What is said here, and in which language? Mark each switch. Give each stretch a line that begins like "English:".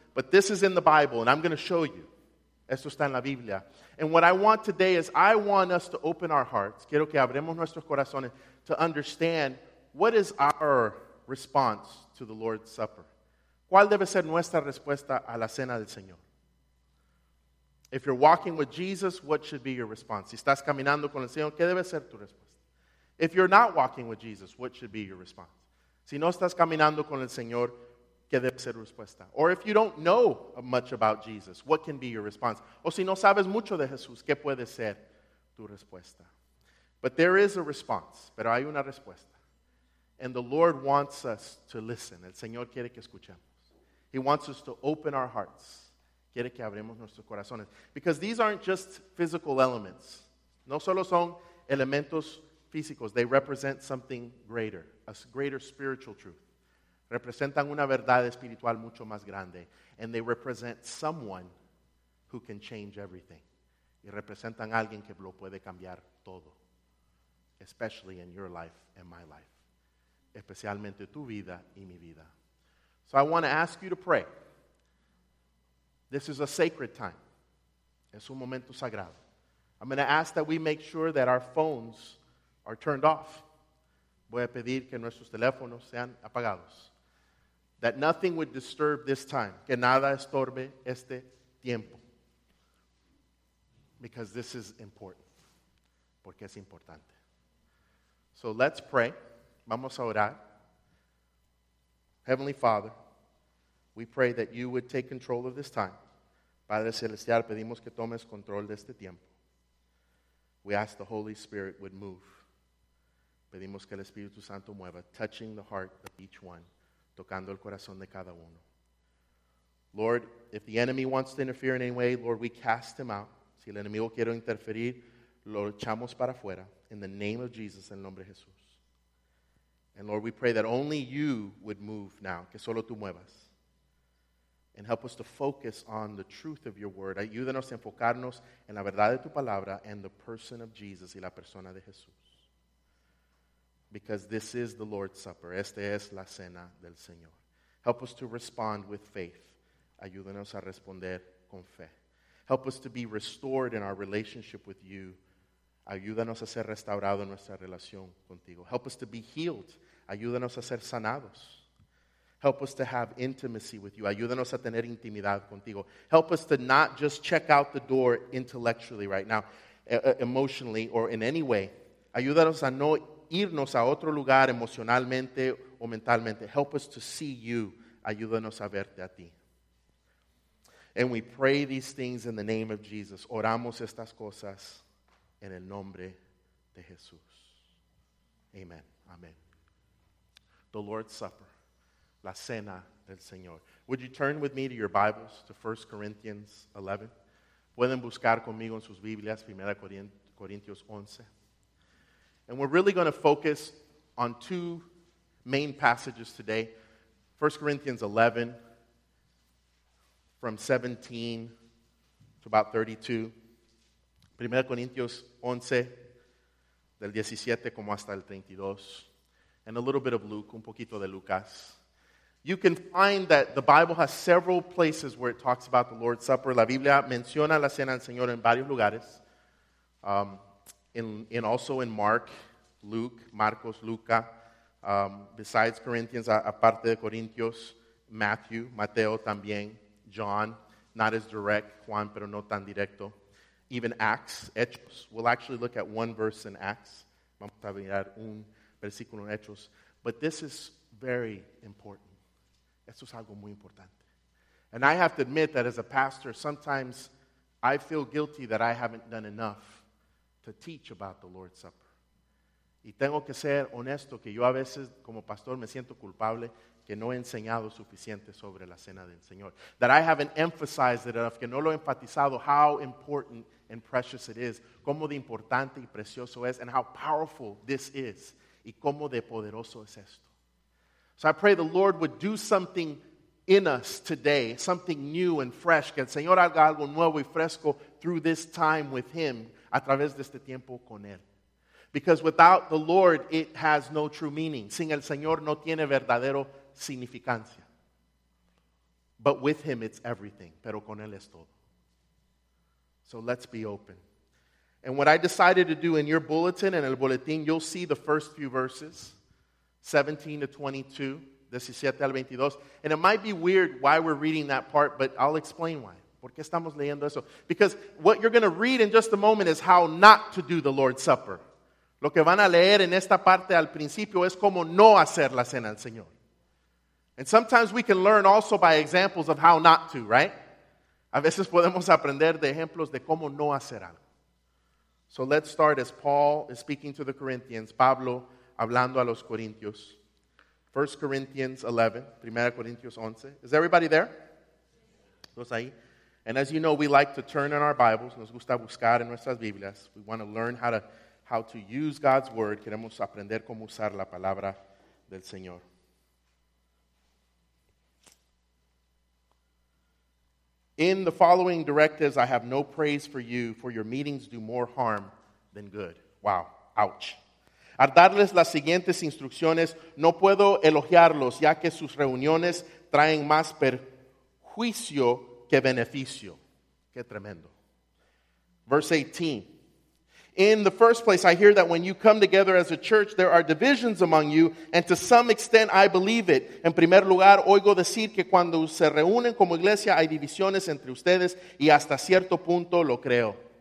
English: But this is in the Bible, and I'm going to show you.
Spanish: Esto está en la Biblia.
English: And what I want today is I want us to open our hearts,
Spanish: quiero que abremos nuestros corazones,
English: to understand what is our response to the Lord's Supper.
Spanish: ¿Cuál debe ser nuestra respuesta a la cena del Señor?
English: If you're walking with Jesus, what should be your response?
Spanish: Si estás caminando con el Señor, ¿qué debe ser tu respuesta?
English: If you're not walking with Jesus, what should be your response?
Spanish: Si no estás caminando con el Señor, ¿qué debe ser respuesta?
English: Or if you don't know much about Jesus, what can be your response?
Spanish: O si no sabes mucho de Jesús, ¿qué puede ser tu respuesta?
English: But there is a response,
Spanish: pero hay una respuesta.
English: And the Lord wants us to listen.
Spanish: El Señor quiere que escuchemos.
English: He wants us to open our hearts.
Spanish: Quiere que abramos nuestros corazones.
English: Because these aren't just physical elements.
Spanish: No solo son elementos físicos.
English: They represent something greater, a greater spiritual truth.
Spanish: Representan una verdad espiritual mucho más grande.
English: And they represent someone who can change everything.
Spanish: Y representan alguien que lo puede cambiar todo.
English: Especially in your life and my life.
Spanish: Especialmente tu vida y mi vida.
English: So I want to ask you to pray. This is a sacred time.
Spanish: Es un momento sagrado.
English: I'm going to ask that we make sure that our phones are turned off.
Spanish: Voy a pedir que nuestros teléfonos sean apagados.
English: That nothing would disturb this time.
Spanish: Que nada estorbe este tiempo.
English: Because this is important.
Spanish: Porque es importante.
English: So let's pray.
Spanish: Vamos a orar.
English: Heavenly Father, we pray that you would take control of this time.
Spanish: Padre Celestial, pedimos que tomes control de este tiempo.
English: We ask the Holy Spirit would move.
Spanish: Pedimos que el Espíritu Santo mueva,
English: touching the heart of each one.
Spanish: Tocando el corazón de cada uno.
English: Lord, if the enemy wants to interfere in any way, Lord, we cast him out.
Spanish: Si el enemigo quiere interferir, lo echamos para afuera.
English: In the name of Jesus,
Spanish: en el nombre de Jesús.
English: And Lord, we pray that only you would move now.
Spanish: Que solo tú muevas.
English: And help us to focus on the truth of your word.
Spanish: Ayúdanos a enfocarnos en la verdad de tu palabra
English: and the person of Jesus
Spanish: y la persona de Jesús.
English: Because this is the Lord's Supper.
Spanish: Este es la cena del Señor.
English: Help us to respond with faith.
Spanish: Ayúdanos a responder con fe.
English: Help us to be restored in our relationship with you.
Spanish: Ayúdanos a ser restaurado en nuestra relación contigo.
English: Help us to be healed.
Spanish: Ayúdanos a ser sanados.
English: Help us to have intimacy with you.
Spanish: Ayúdanos a tener intimidad contigo.
English: Help us to not just check out the door intellectually right now, emotionally or in any way.
Spanish: Ayúdanos a no irnos a otro lugar emocionalmente o mentalmente.
English: Help us to see you.
Spanish: Ayúdanos a verte a ti.
English: And we pray these things in the name of Jesus.
Spanish: Oramos estas cosas en el nombre de Jesús. Amen. Amen.
English: The Lord's Supper.
Spanish: La cena del Señor.
English: Would you turn with me to your Bibles, to 1 Corinthians 11?
Spanish: Pueden buscar conmigo en sus Biblias, 1 Corintios 11.
English: And we're really going to focus on two main passages today. 1 Corinthians 11, from 17 to about 32.
Spanish: 1 Corintios 11, del 17 como hasta el 32.
English: and a little bit of Luke,
Spanish: un poquito de Lucas,
English: you can find that the Bible has several places where it talks about the Lord's Supper.
Spanish: La Biblia menciona la cena del Señor en varios lugares.
English: And also in Mark, Luke, Marcos, Luca, besides Corinthians,
Spanish: aparte de Corintios,
English: Matthew,
Spanish: Mateo también,
English: John, not as direct, Juan,
Spanish: pero no tan directo.
English: Even Acts, Hechos. We'll actually look at one verse in Acts.
Spanish: Vamos a mirar un versículo en Hechos.
English: But this is very important.
Spanish: Esto es algo muy importante.
English: And I have to admit that as a pastor, sometimes I feel guilty that I haven't done enough to teach about the Lord's Supper.
Spanish: Y tengo que ser honesto que yo a veces, como pastor, me siento culpable que no he enseñado suficiente sobre la cena del Señor.
English: That I haven't emphasized it enough,
Spanish: que no lo he enfatizado,
English: how important and precious it is,
Spanish: cómo de importante y precioso es,
English: and how powerful this is,
Spanish: y cómo de poderoso es esto.
English: So I pray the Lord would do something in us today, something new and fresh,
Spanish: que el Señor haga algo nuevo y fresco
English: through this time with Him,
Spanish: a través de este tiempo con Él.
English: Because without the Lord, it has no true meaning.
Spanish: Sin el Señor no tiene verdadero significancia.
English: But with Him, it's everything.
Spanish: Pero con Él es todo.
English: So let's be open. And what I decided to do in your bulletin, in el boletín, you'll see the first few verses, 17 to 22, 17 al 22. And it might be weird why we're reading that part, but I'll explain why.
Spanish: ¿Por qué estamos leyendo eso?
English: Because what you're going to read in just a moment is how not to do the Lord's Supper.
Spanish: Lo que van a leer en esta parte al principio es cómo no hacer la cena del Señor.
English: And sometimes we can learn also by examples of how not to, right?
Spanish: A veces podemos aprender de ejemplos de cómo no hacer algo.
English: So let's start as Paul is speaking to the Corinthians.
Spanish: Pablo hablando a los Corintios. 1 Corinthians 11, 1 Corintios 11.
English: Is everybody there?
Spanish: ¿Todos ahí?
English: And as you know, we like to turn in our Bibles.
Spanish: Nos gusta buscar en nuestras Biblias.
English: We want to learn how to use God's Word.
Spanish: Queremos aprender cómo usar la palabra del Señor.
English: In the following directives, I have no praise for you, for your meetings do more harm than good. Wow. Ouch.
Spanish: Al darles las siguientes instrucciones, no puedo elogiarlos, ya que sus reuniones traen más perjuicio que beneficio. Qué tremendo. Verse 18.
English: In the first place, I hear that when you come together as a church, there are divisions among you, and to some extent, I believe it.
Spanish: En primer lugar, oigo decir que cuando se reúnen como iglesia, hay divisiones entre ustedes, y hasta cierto punto lo creo.